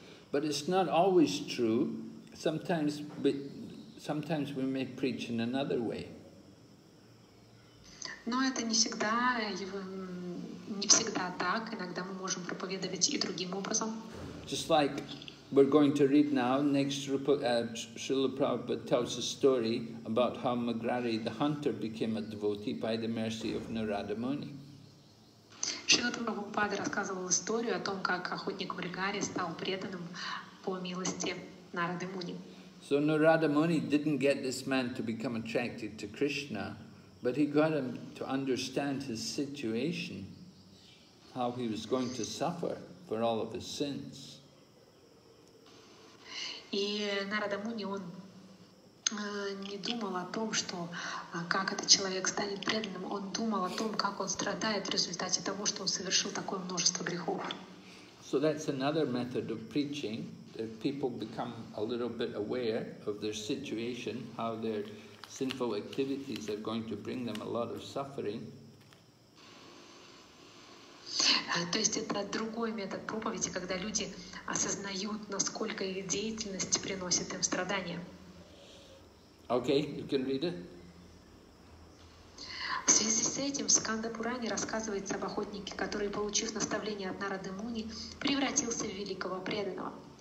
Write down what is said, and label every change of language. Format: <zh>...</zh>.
<en>But it's not always true. Sometimes we may preach in another way.</en> <ru>Но это не всегда, не всегда так. Иногда мы можем проповедовать и другим образом.</ru> <en>Just like we're going to read now, next Srila Prabhupada tells a story about how Magrari the hunter became a devotee by the mercy of Narada Muni.</en> <ru>Шрила Прабхупада рассказывал историю о том, как охотник Маграри стал преданным по милости Нарады Муни.</ru> <en>So Narada Muni didn't get this man to become attracted to Krishna, but he got him to understand his situation, how he was going to suffer for all of his sins.</en> <ru>И Нарада Муни, он не думал о том, что как этот человек станет преданным, он думал о том, как он страдает в результате того, что он совершил такое множество грехов.</ru> <en>So that's another method of preaching. If people become a little bit aware of their situation, how their sinful activities are going to bring them a lot of suffering.</en> <ru>То есть это другой метод проповеди, когда люди осознают, насколько их деятельность приносит им страдания.</ru> <en>Okay, you can read it.</en> <ru>В связи с этим в Сканда Пуране рассказывается об охотнике, который, получив наставление от Нарады Муни, превратился в великого преданного.</ru>